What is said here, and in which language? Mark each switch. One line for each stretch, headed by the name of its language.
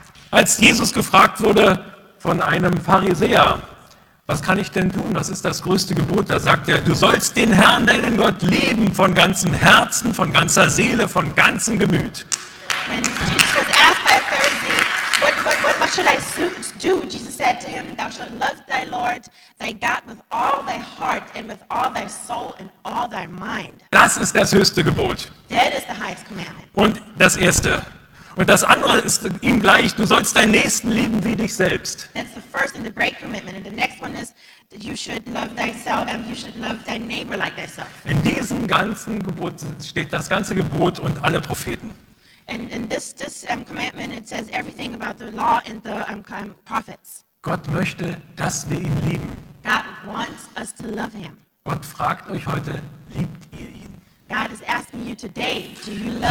German: Als Jesus gefragt wurde von einem Pharisäer, was kann ich denn tun, was ist das größte Gebot, da sagt er, du sollst den Herrn, deinen Gott, lieben von ganzem Herzen, von ganzer Seele, von ganzem Gemüt.
English: When Jesus was asked by a Pharisee, what should I do? Jesus said to him, thou shalt love thy Lord, thy God, with all thy heart and with all thy soul and all thy mind.
German: Das ist das höchste Gebot.
English: That is the highest commandment.
German: Und das erste. Und das andere ist ihm gleich, du sollst deinen Nächsten lieben wie dich selbst.
English: That's the first and the great commitment. And the next one is that you should love thyself and you should love thy neighbor like thyself.
German: In diesem ganzen Gebot steht das ganze Gebot und alle Propheten.
English: And in this commandment it says everything about the law and the prophets.
German: Gott möchte, dass wir ihn lieben.
English: God wants us to love him.
German: Gott fragt euch heute, liebt ihr ihn?
English: God is asking you today, do you love